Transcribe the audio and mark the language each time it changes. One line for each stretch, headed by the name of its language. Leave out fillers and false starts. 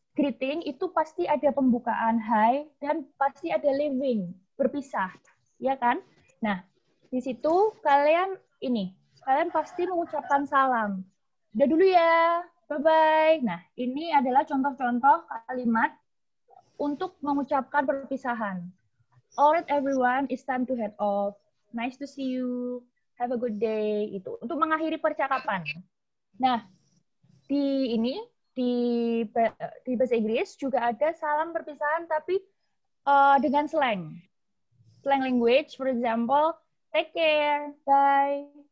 Indonesian: greeting itu pasti ada pembukaan hi dan pasti ada leaving, berpisah, ya kan? Nah, di situ kalian ini, kalian pasti mengucapkan salam. Udah dulu ya, bye-bye. Nah, ini adalah contoh-contoh kalimat untuk mengucapkan perpisahan.
English: All right, everyone, it's time to head off. Nice to see you. Have a good day.
Indonesian: Itu untuk mengakhiri percakapan. Nah, di ini, di bahasa Inggris juga ada salam perpisahan, tapi dengan slang.
English: Slang language, for example, take care, bye.